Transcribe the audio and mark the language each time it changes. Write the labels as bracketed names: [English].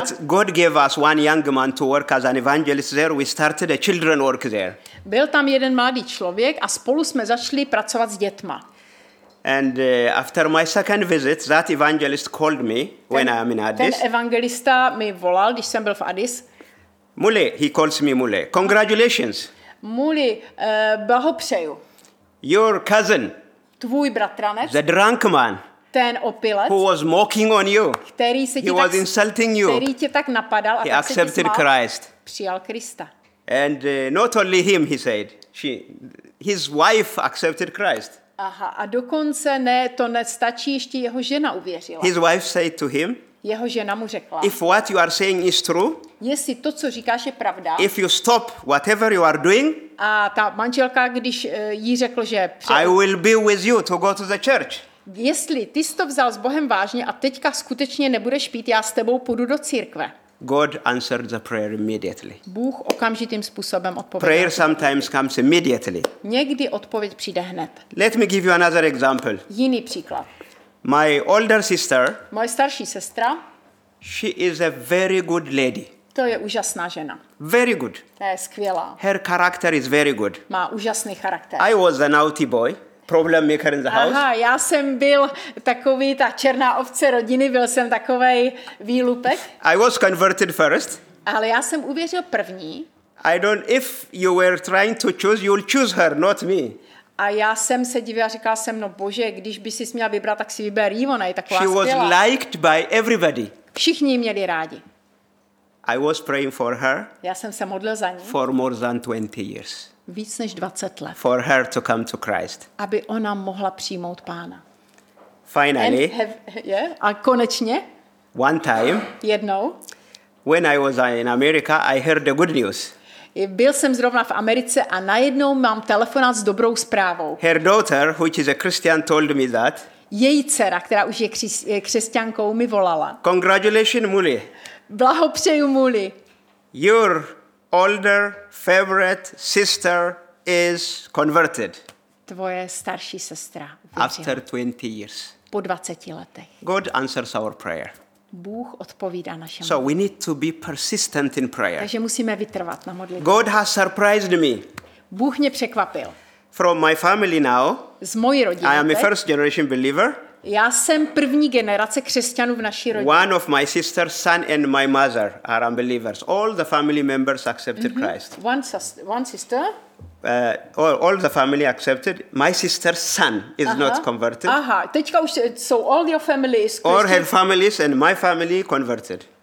[English] But God gave us one young man to work as an evangelist there. We started a children work there. [Czech] Byl tam jeden mladý člověk a spolu jsme začali pracovat s dětma. [English] And after my second visit, that evangelist called me when I am in Addis. [Czech] Ten evangelista mi volal, když jsem byl v Addis. [English] Mule, he calls me Mule. Congratulations. [Czech] Mule, blahopřeju. [English] Your cousin. [Czech] Tvůj bratranec, [English] the drunk man, [Czech] ten opilec, [English] who was mocking on you, [Czech] který se [English] he was insulting you, [Czech] který tě tak napadal, [English] he accepted Christ, [Czech] přijal Krista. [English] And not only him, he said, his wife accepted Christ. [Czech] Aha, a dokonce ne, to nestačí, ještě jeho žena uvěřila. [English] His wife said to him, [Czech] jeho žena mu řekla, [English] if what you are saying is true, [Czech] jestli to, co říkáš, je pravda, [English] if you stop whatever you are doing, [Czech] a ta manželka, když jí řekl, že [English] I will be with you to go to the church. [Czech] Jestli ty jsi to vzal s Bohem vážně a teďka skutečně nebudeš pít, já s tebou půjdu do církve. [English] God answered the prayer immediately. [Czech] Bůh okamžitým způsobem odpověděl. [English] Prayer sometimes comes immediately. [Czech] Někdy odpověď přijde hned. [English] Let me give you another example. [Czech] Jiný příklad. [English] My older sister. [Czech] Moje starší sestra. [English] She is a very good lady. [Czech] To je úžasná žena. [English] Very good. [Czech] To je skvělá. [English] Her character is very good. [Czech] Má úžasný charakter. [English] I was a naughty boy, problem maker in the house. [Czech] Aha, já jsem byl takový ta černá ovce rodiny, byl jsem takovej výlupek. [English] I was converted first. [Czech] Ale já jsem uvěřil první. [English] I don't, if you were trying to choose, you'll choose her, not me. [Czech] A já jsem se divil a říkal jsem, no bože, když by si směla vybrat, tak si vyber jí, ona je taková skvělá. [English] She was liked by everybody. [Czech] Všichni měli rádi. [English] I was praying for her. [Czech] Já jsem se modlil za ní. [English] For more than 20 years. [Czech] Víc než 20 let. [English] For her to come to Christ. [Czech] Aby ona mohla přijmout Pána. [English] Finally. [Czech] A konečně. [English] One time. [Czech] Jednou. [English] When I was in America, I heard the good news. [Czech] Byl jsem zrovna v Americe a najednou mám telefonát s dobrou zprávou. [English] Her daughter, which is a Christian, told me that. [Czech] Její dcera, která už je křesťankou, mi volala. [English] Congratulations, Muli. [Czech] Blahopřeju, Muli. [English] Your older favorite sister is converted. [Czech] Tvoje starší sestra. [English] After 20 years. [Czech] Po 20 letech. [English] God answers our prayer. [Czech] Bůh odpovídá našemu. [English] So we need to be persistent in prayer. [Czech] Takže musíme vytrvat na modlitbě. [English] God has surprised me. [Czech] Bůh mě překvapil. [English] From my family now. [Czech] Z mojí rodiny. [English] I am a first generation believer. [Czech] Já jsem první generace křesťanů v naší rodině. [English] One of my sister's son and my mother are unbelievers. All the family members accepted Christ. One sister. All the family accepted. My sister's son is not converted. [Czech] Aha. Teďka už [English] so all your family is. All her families and my family converted.